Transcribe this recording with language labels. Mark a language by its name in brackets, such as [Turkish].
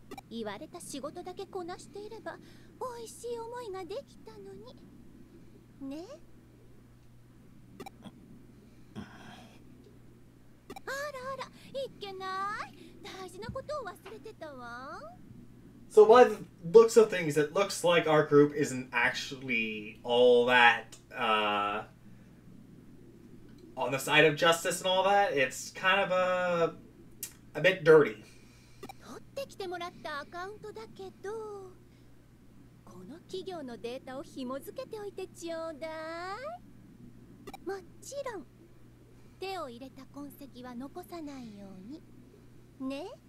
[Japanese] 言われた仕事だけこなしていれば美味しい思いができたのにね。あらあら、いけない、大事なことを忘れてたわ。 [English] So by the looks of things, it looks like our group isn't actually all that on the side of justice and all that. It's kind of a bit dirty. [Japanese] 取ってきてもらったアカウントだけど、この企業のデータを紐付けておいてちょうだい。もちろん、手を入れた痕跡は残さないようにね。